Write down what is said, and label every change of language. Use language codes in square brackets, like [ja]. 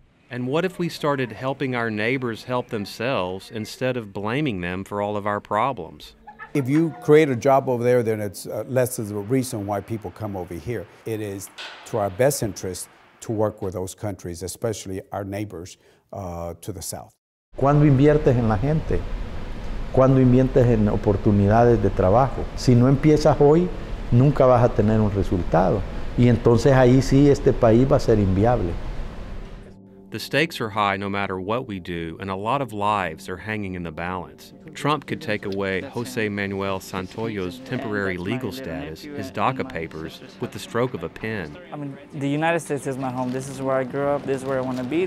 [en] And what if we started helping our neighbors help themselves instead of blaming them for all of our problems? If you create a job over there, then it's less of a reason why people come over here. It is to our best interest to work with those countries, especially our neighbors to the south. [es] Cuando inviertes en la gente, cuando inviertes en oportunidades de trabajo, si no empiezas hoy, nunca vas a tener un resultado. Y entonces ahí sí, este país va a ser inviable. [en] The stakes are high no matter what we do, and a lot of lives are hanging in the balance. Trump could take away Jose Manuel Santoyo's temporary legal status, his DACA papers, with the stroke of a pen. I mean, the United States is my home. This is where I grew up. This is where I want to be.